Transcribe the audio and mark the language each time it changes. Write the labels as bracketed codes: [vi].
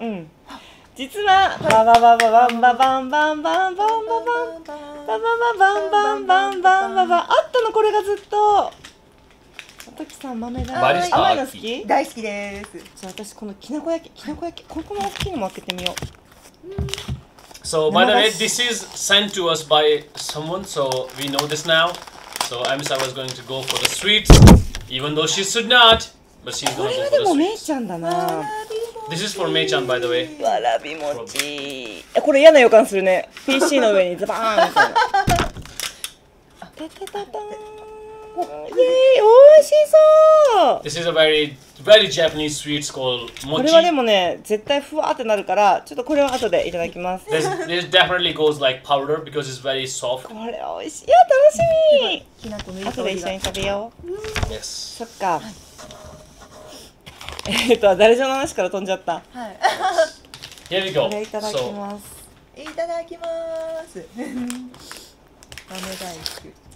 [ja] うん、実はバババババンババンバンバンバンバンバンバンバンバンバンバンバンバンバンバンあったの、これがずっと、ときさん豆だ、バリスタ甘いの好き、大好きです、じゃあ私このきなこ焼き、きなこ焼き、ここの大きいのも開けてみよう。 [en] So by the way, this is sent to us by someone, so we know this now. So Amisa was going to go for the sweet, even though she should not, but she's going for the sweet. [ja] これはでもめいちゃんだな。 [en] This is for Mei-chan, by the way. [ja] わらびもち。これ嫌な予感するね。PC の上にズバーンって。たたたたーん。イェーイ、おいしそう。 [en] This is a very, very Japanese sweet called mochi. [ja] これはでもね、絶対ふわってなるから、ちょっとこれは後でいただきます。 [en] This definitely goes like powder because it's very soft. [ja] これおいしい。いや、楽しみ。後で一緒に食べよう。 [en] Yes. [ja] そっか。誰じゃの話から飛んじゃった。はい。 [en] Here we go. [ja] いただきます。 So. いただきます。豆大福。